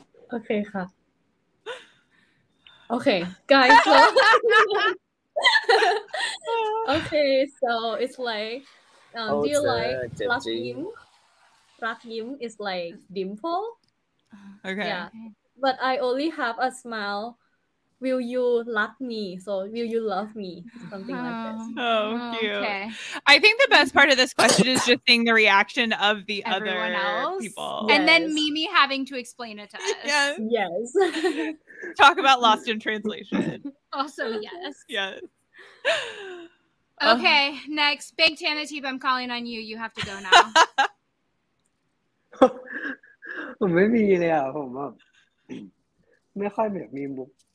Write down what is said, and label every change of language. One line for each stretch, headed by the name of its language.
Thai: โอเคค่ะโอเค
English: guys so okay so it's like do you like รักยิ้มรักยิ้ม is like dimple okay yeah but I only have a smile will you rak me so will you love me something like this oh cute okay I think the best part of this question is just seeing the reaction of the other people yes. and then Mimi having to explain it to us yes talk about lost in translation also yes okay next big Tana Teep I'm calling on you you have to go now
Thai: ผมไม่มีเลยอ่ะผมไม่ค่อยแบบมีมุก